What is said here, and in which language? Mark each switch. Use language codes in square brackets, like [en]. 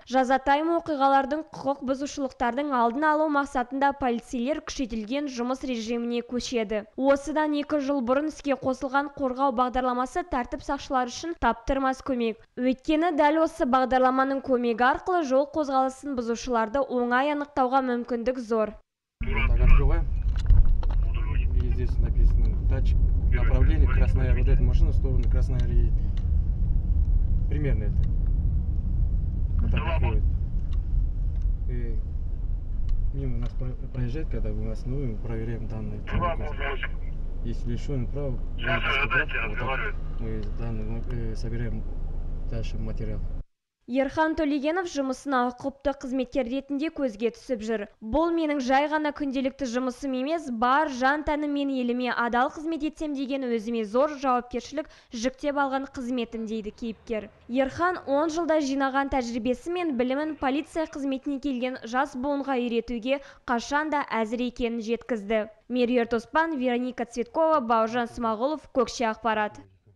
[kk] Жазатайым оқиғалардың құқық бұзушылықтардың алдын алу мақсатында полицейлер күшейтілген жұмыс режиміне көшеді. Осыдан 2 жыл бұрын іске қосылған қорғау бағдарламасы тәртіп сақшылары үшін таптырмас көмек. Өйткені дәл осы бағдарламаның көмегі арқылы жол қозғалысын бұзушыларды оңай анықтауға мүмкіндік зор. [ru] Здесь написано датчик направления Красноярск. Вот эта машина в сторону Красноярска едет. Примерно это. Вот так ходит. И мимо нас проезжает, когда мы остановим, проверяем данные. Если еще направо, вот мы данные собираем дальше материал. [kk] Ерхан Төлегенов жұмысына құпты қызметкер ретінде көзге түсіп жүр. Бұл менің жай ғана күнделікті жұмысым емес, бар жан тәнім мен еліме адал қызмет етсем деген өзіме зор жауапкершілік жүктеп алған қызметім, дейді кейіпкер. Ерхан 10 жылда жинаған тәжірибесі мен білімін полиция қызметіне келген жас буынға үйретуге қашанда әзір екенін жеткізді. Меруерт Оспан, Вероника Цветкова, Бауыржан Смағұлов, Көкше ақпарат.